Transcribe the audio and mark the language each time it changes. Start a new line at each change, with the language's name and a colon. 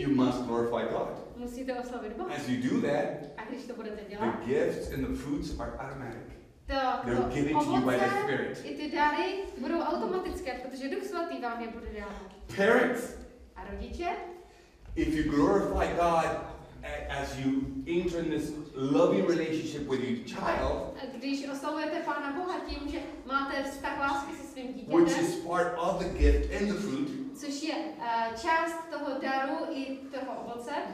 English: you must glorify God.
Czech: Musíte oslavit Boha.
English: As you do that,
Czech: a když to budete dělat,
English: the gifts and the fruits are automatic.
Czech: To,
English: they're given to you by the Spirit.
Czech: I ty dary budou automatické, protože Duch Svatý vám je bude dělat.
English: Parents.
Czech: A rodiče.
English: If you glorify God as you enter in this loving relationship with your child.
Czech: Když oslavujete Pána Boha tím, že máte vztah lásky se svým dítětem.
English: Which is part of the gift and the fruit.
Czech: Což je část toho daru i toho ovoce.